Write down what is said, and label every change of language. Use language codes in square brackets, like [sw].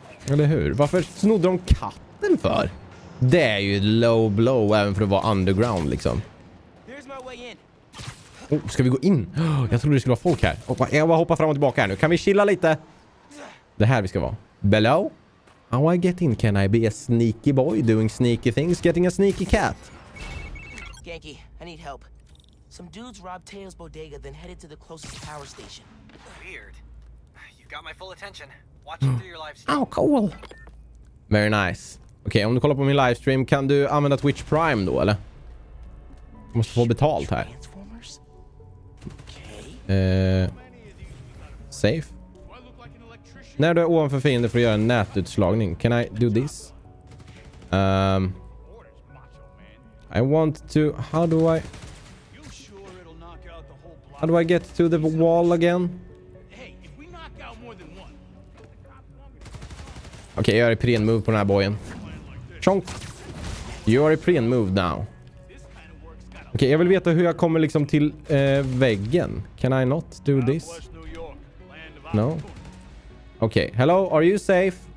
[sv] Eller hur? Varför snodde de katten för? Det är ju low blow även för att vara underground liksom. Oh, ska vi gå in? Oh, jag trodde det skulle vara folk här. Oh, jag bara hoppar fram och tillbaka här nu. Kan vi chilla lite? Det här vi ska vara. Below? [en] How I get in, can I be a sneaky boy doing sneaky things, getting a sneaky cat? Genki, I need help. Some dudes robbed Tails bodega, then headed to the closest power station. Weird. You got my full attention. Watching through your livestream. Oh, cool. Very nice. [sv] Okej, om du kollar på min livestream, kan du använda Twitch Prime då, eller? Jag måste få betalt här. [en] Transformers? Okay. Safe. [sv] När du är ovanför fienden för att göra en nätutslagning. [en] Can I do this? I want to... How do I get to the wall again? [sv] Okej, jag gör en preen move på den här bojen. Chonk! [en] You are a preen move now. [sv] Okej, jag vill veta hur jag kommer liksom till väggen. [en] Can I not do this? No. Okay, hello, are you safe?